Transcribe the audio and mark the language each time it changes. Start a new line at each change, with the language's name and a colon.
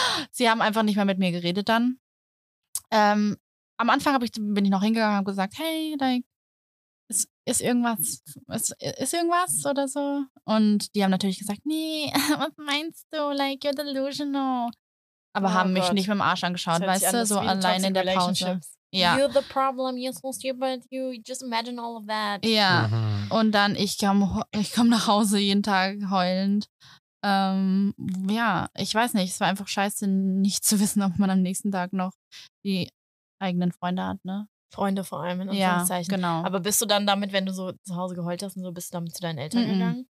German: Sie haben einfach nicht mehr mit mir geredet dann. Am Anfang bin ich noch hingegangen und gesagt, hey, like, ist irgendwas oder so. Und die haben natürlich gesagt, nee, was meinst du? Like,
English: you're delusional.
German: Aber oh haben mich Gott. Nicht mit dem Arsch angeschaut, weißt du, so alleine in der Pause. Ja.
English: You're the problem, you're so stupid, you just imagine all of that.
German: Ja, und dann, ich komm nach Hause jeden Tag heulend. Ja, ich weiß nicht, es war einfach scheiße, nicht zu wissen, ob man am nächsten Tag noch die eigenen Freunde hat, ne? Freunde vor allem, in Anführungszeichen. Ja, genau. Aber bist du dann damit, wenn du so zu Hause geheult hast und so, bist du damit zu deinen Eltern gegangen?